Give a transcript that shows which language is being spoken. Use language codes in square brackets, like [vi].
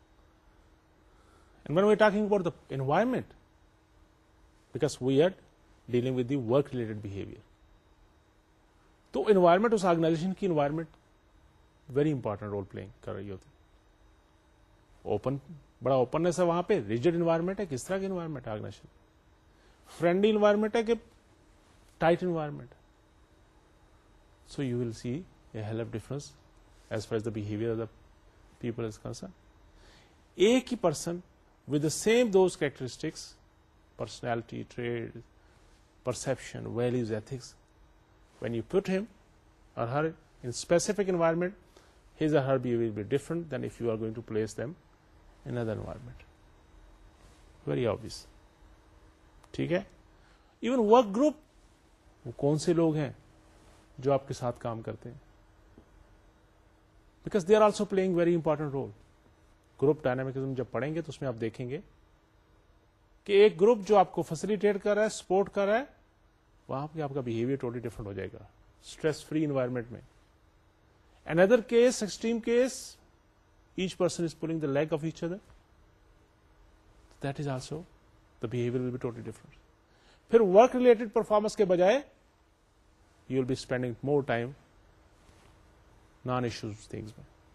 [en] and when we are talking about the environment because we are dealing with the work related behaviour, [ur] تو environment اس organization کی environment very important role play کر رہی ہوتی. Open, بڑا openness ہے وہاں پہ, ریجڈ انوائرمنٹ ہے, کس طرح کا انوائرمنٹ آرگنائزیشن, فرینڈلی انوائرمنٹ ہے کہ tight environment. [en] So you will see a hell of difference as far as the behaviour of the people is concern. [ur] ایک ہی person [en] With the same those characteristics, personality, trait, perception, values, ethics, when you put him or her in specific environment, his or her behavior will be different than if you are going to place them in another environment. Very obvious. [ur] ٹھیک ہے. [en] Even work group, [ur] وہ کون سے لوگ ہیں جو آپ کے ساتھ کام کرتے ہیں, [en] because they are also playing very important role. [ur] Group dynamicism جب پڑھیں گے تو اس میں آپ دیکھیں گے کہ ایک گروپ جو آپ کو فیسلیٹیٹ کر رہا ہے, سپورٹ کر رہا ہے, آپ کا بہیویئر ٹوٹلی ڈفرنٹ ہو جائے گا اسٹریس فری انوائرمنٹ میں. [en] اندر case, extreme case, each person is pulling the leg of each other, that is also the behaviour will be totally different. [ur] پھر ورک ریلیٹڈ پرفارمنس کے بجائے [en] you will be spending more time [ur] naan issues things میں.